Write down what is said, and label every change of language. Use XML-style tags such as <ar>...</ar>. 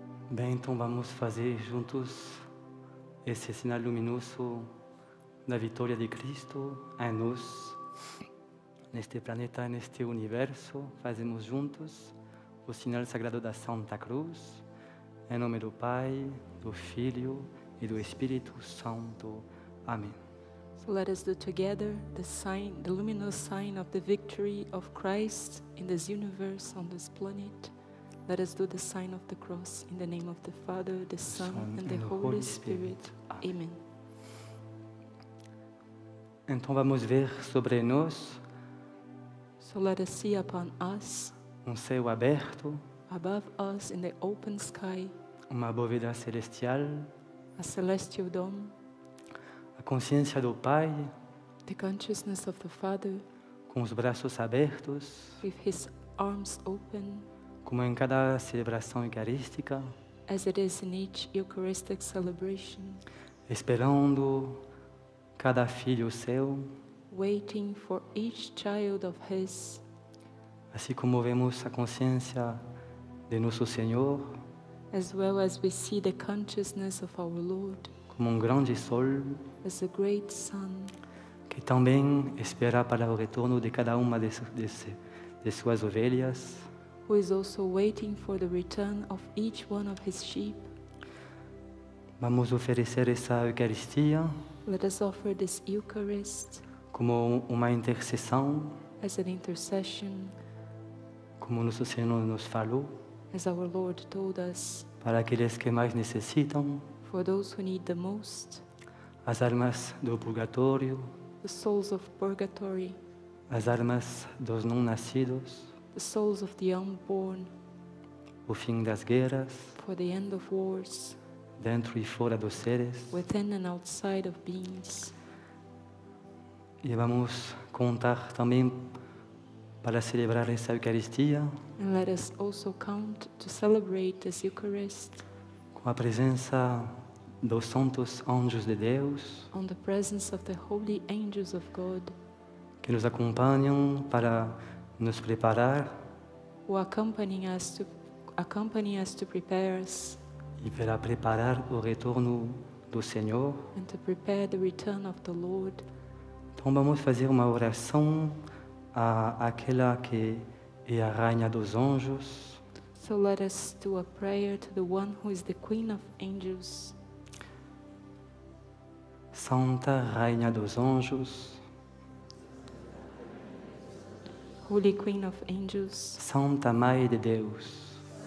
<pt>Bem, então vamos fazer juntos esse sinal luminoso da vitória de Cristo em nós, neste planeta, neste universo. Fazemos juntos o sinal sagrado da Santa Cruz, em nome do Pai, do Filho e do Espírito Santo. Amém.</pt> <en>So let us do together the sign, the luminous sign of the victory of Christ in this universe, on this planet. Let us do the sign of the cross in the name of the Father, the Son, and the Holy Spirit. Amen.</en> <pt>Então vamos ver sobre nós.</pt> <en>So let us see upon us.</en> <pt>Céu aberto.</pt> <en>Above us in the open sky.</en> <pt>Uma bóveda celestial.</pt> <en>A celestial dome.</en> <pt>A consciência do Pai.</pt> <en>The consciousness of the Father.</en> <pt>Com os braços abertos.</pt> <en>With his arms open.</en> <pt>Como em cada celebração eucarística.</pt> <en>As it is in each Eucharistic celebration.</en> <pt>Esperando cada filho seu.</pt> <en>Waiting for each child of his.</en> <pt>Assim como vemos a consciência de nosso Senhor.</pt> <en>As well as we see the consciousness of our Lord.</en> <pt>Como grande sol.</pt> <en>As a great sun.</en> <pt>Que também espera para o retorno de cada uma de suas ovelhas.</pt> <en>Who is also waiting for the return of each one of his sheep.</en> <pt>Vamos oferecer essa Eucaristia.</pt> <en>Let us offer this Eucharist.</en> <pt>Como uma intercessão.</pt> <en>As an intercession.</en> <pt>Como nosso Senhor nos falou.</pt> <en>As our Lord told us.</en> <pt>Para aqueles que mais necessitam.</pt> <en>For those who need the most.</en> <pt>As almas do purgatório.</pt> <en>The souls of purgatory.</en> <pt>As almas dos não nascidos.</pt> <en>The souls of the unborn.</en> <pt>O fim das guerras.</pt> <en>For the end of wars.</en> <pt>Dentro e fora dos seres.</pt> <en>Within and outside of beings.</en> <pt>E vamos contar também para celebrar essa Eucaristia.</pt> <en>And let us also count to celebrate this Eucharist.</en> <pt>Com a presença dos santos anjos de Deus.</pt> <en>On the presence of the holy angels of God.</en> <pt>Que nos acompanham para nos preparar.</pt> <en>Who accompany us to prepare us.</en> <pt>E para preparar o retorno do Senhor.</pt> <en>And to prepare the return of the Lord.</en> <pt>Então vamos fazer uma oração a aquela que é a rainha dos anjos.</pt> <en>So let us do a prayer to the one who is the queen of angels.</en> <pt>Santa rainha dos anjos.</pt> <en>Holy queen of angels.</en> <pt>Santa mãe de Deus.</pt>